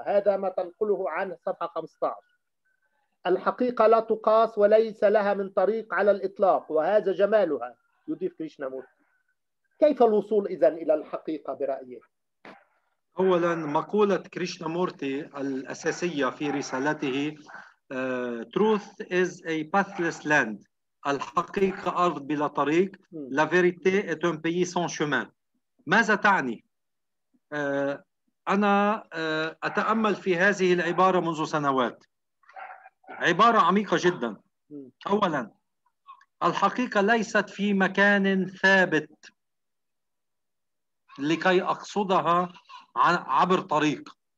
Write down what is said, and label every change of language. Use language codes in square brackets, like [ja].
[ar] هذا ما تنقله عن صفحة 15. الحقيقة لا تقاس وليس لها من طريق على الإطلاق وهذا جمالها, يضيف كريشنامورتي. كيف الوصول إذن إلى الحقيقة برأيه؟ أولا مقولة كريشنامورتي الأساسية في رسالته [en] truth is a pathless land. [ar] الحقيقة أرض بلا طريق. [fr] La vérité est un pays sans chemin. [ar] ماذا تعني؟ أنا أتأمل في هذه العبارة منذ سنوات. عبارة عميقة جدا. أولا الحقيقة ليست في مكان ثابت لكي أقصدها عبر طريق.